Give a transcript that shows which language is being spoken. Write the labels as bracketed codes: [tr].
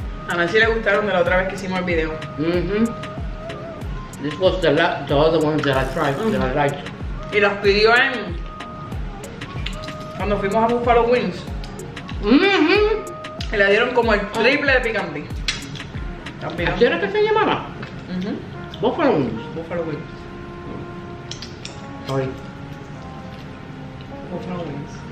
[es] A ver si le gustaron de la otra vez que hicimos el video. [en] This was the other one that I tried, that I liked. [es] Y las pidió en... cuando fuimos a Buffalo Wings. Y le dieron como el triple de picante. ¿Así era que se llamaba? Buffalo Wings. Buffalo Wings. [en] Sorry. [es] Buffalo Wings.